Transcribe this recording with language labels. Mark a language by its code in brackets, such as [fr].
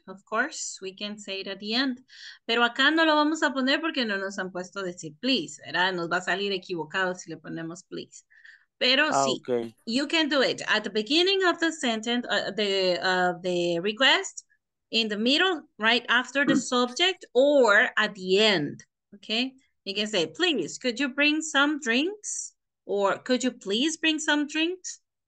[en] Of course, we can say it at the end. [es] Pero acá no lo vamos a poner porque no nos han puesto decir please, ¿verdad? Nos va a salir equivocado si le ponemos please. Pero sí, [en] okay. You can do it. At the beginning of the sentence, the request, in the middle, right after the subject, or at the end, okay? You can say, please, could you bring some drinks? Or could you please bring some drinks?